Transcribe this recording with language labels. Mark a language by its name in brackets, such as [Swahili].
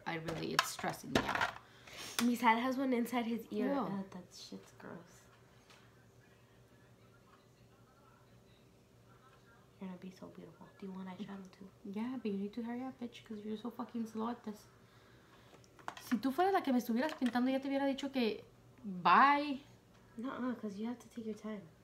[English] I really, it's stressing me out. His dad has one inside his ear. Oh, that shit's gross. Gonna be so beautiful. Do you want to try them too? Yeah, but you need to hurry up, bitch, because you're so fucking slow at this. [Spanish] Si tú fueras la que me estuvieras pintando, ya te hubiera dicho que bye. [English] No, because you have to take your time.